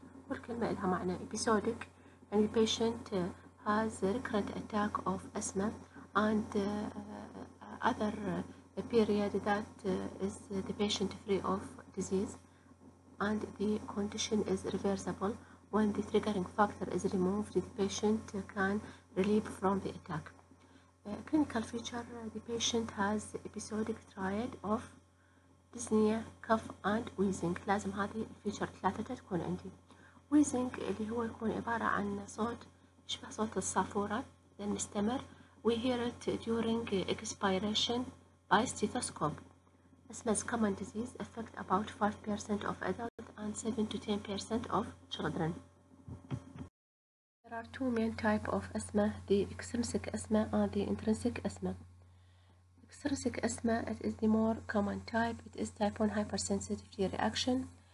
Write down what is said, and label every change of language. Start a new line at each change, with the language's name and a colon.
Arabic: والكلمة لها معنى episodic.
English: And the patient has a recurrent attack of asthma and other a period that is the patient free of disease and the condition is reversible. When the triggering factor is removed, the patient can relieve from the attack. Clinical feature, the patient has episodic triad of dyspnea, cough and wheezing.
Arabic: لازم هذه الفيتشر ثلاثة تكون عندي. Wheezing اللي هو يكون عبارة عن صوت يشبه صوت الصافورة، لأن يستمر
English: We hear it during expiration by stethoscope. Asthma is a common disease, affect about 5% of adults and 7 to 10% of children. There are two main types of asthma, the extrinsic asthma and the intrinsic asthma. Extrinsic asthma, it is the more common type. It is type 1 hypersensitivity reaction.